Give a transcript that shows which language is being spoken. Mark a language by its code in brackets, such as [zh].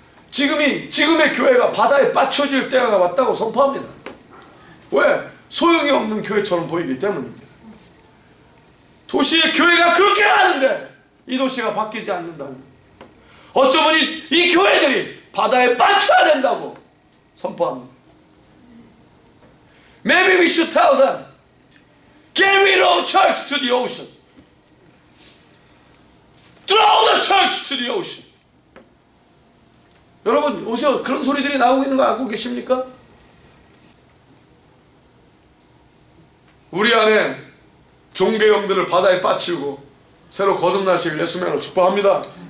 [ko] 지금의 교회가 바다에 빠쳐질 때가 왔다고 선포합니다. 왜? 소용이 없는 교회처럼 보이기 때문입니다. 도시의 교회가 그렇게 많은데 이 도시가 바뀌지 않는다면 어쩌면 이 교회들이 바다에 빠쳐야 된다고 선포합니다. [en] Maybe we should tell them, get rid of church to the ocean. Throw the church to the ocean. [ko] 여러분, 오세요. 그런 소리들이 나오고 있는 거 알고 계십니까? 우리 안에 종교 영들을 바다에 빠치고 새로 거듭나시길 예수님으로 축복합니다.